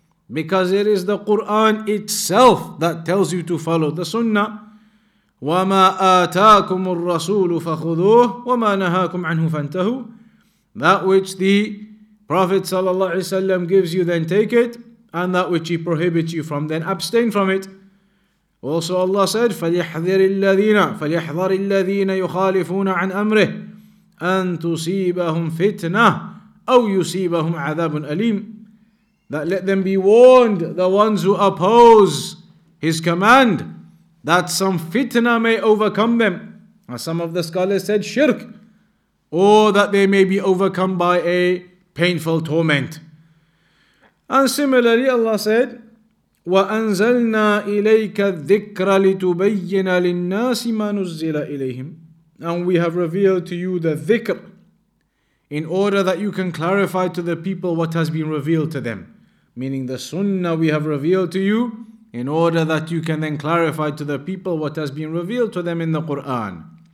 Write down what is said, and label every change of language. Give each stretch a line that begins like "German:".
English: Because it is the Quran itself that tells you to follow the Sunnah.
Arabic: وَمَا آتَاكُمُ الرَّسُولُ فَخُذُوهُ وَمَا نَهَاكُمْ عَنْهُ فَانْتَهُوا.
English: That which the Prophet ﷺ gives you, then take it. And that which he prohibits you from, then abstain from it. Also Allah said,
Arabic: فَلْيَحْذَرِ الَّذِينَ يُخَالِفُونَ عَنْ أَمْرِهِ أَنْ تُصِيبَهُمْ فِتْنَةٌ أَوْ يُصِيبَهُمْ عَذَابٌ أَلِيمٌ.
English: That let them be warned, the ones who oppose his command, that some fitna may overcome them. As some of the scholars said, shirk. Or that they may be overcome by a painful torment. And similarly, Allah said,
Arabic: وَأَنْزَلْنَا إِلَيْكَ الذِّكْرَ لِتُبَيِّنَ لِلنَّاسِ مَا نُزِّلَ إِلَيْهِمْ.
English: And we have revealed to you the dhikr in order that you can clarify to the people what has been revealed to them. Meaning the sunnah we have revealed to you in order that you can then clarify to the people what has been revealed to them in the Quran.